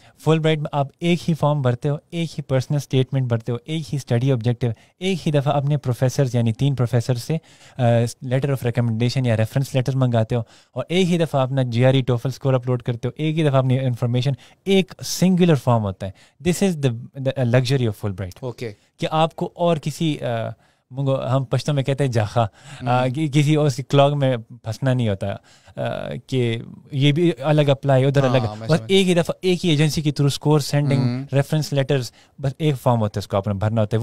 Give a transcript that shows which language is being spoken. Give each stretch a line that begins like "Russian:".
Urdu: فل bright میں آپ ایک ہی فارم بھرتے ہو, ایک ہی پرسنل اسٹیٹمنٹ بھرتے ہو, ایک ہی اسٹڈی آبجیکٹیو, ایک ہی دفعہ اپنے پروفیسر یعنی تین پروفیسر سے لیٹر آف ریکمنڈیشن یا ریفرنس لیٹر منگاتے ہو, اور ایک ہی دفعہ اپنا جی آر ای ٹوفل اسکور اپلوڈ کرتے ہو, ایک ہی دفعہ اپنی انفارمیشن. ایک سنگولر فارم ہوتا ہے.
English: This is the luxury of full bright. Okay
Urdu: کہ آپ کو اور کسی ہم پشتوں میں کہتے ہیں جاخا کسی اور کلاگ میں پھنسنا نہیں ہوتا کہ یہ بھی الگ اپلائی ادھر الگ. بس ایک ہی دفعہ ایک ہی ایجنسی کی through score sending reference letters بس ایک فارم ہوتا ہے. اس کو آپ نے بھرنا ہوتا ہے.